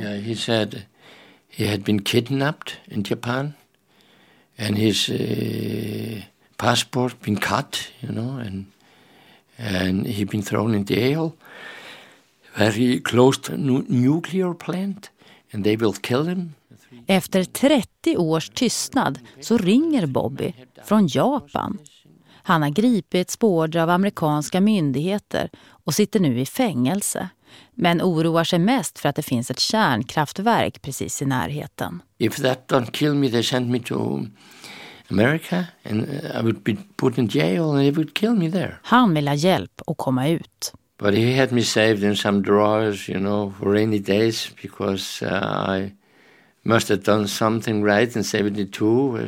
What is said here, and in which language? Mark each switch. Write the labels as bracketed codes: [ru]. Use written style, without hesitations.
[en] Yeah, he said he had been kidnapped in Japan and his passport been cut, you know, and he'd been thrown in jail. Very close to nuclear plant and they will kill him. [sv] Efter 30 års tystnad så ringer Bobby från Japan. Han har gripits spårdra av amerikanska myndigheter och sitter nu i fängelse. Men oroar sig mest för att det finns ett kärnkraftverk precis i närheten. [en] If that don't kill me, they send me to America and I would be put in jail and they would kill me there. [sv] Han vill ha hjälp och komma ut. [en] But he had me saved in some drawers, you know, for rainy days because I must have done something right in 72.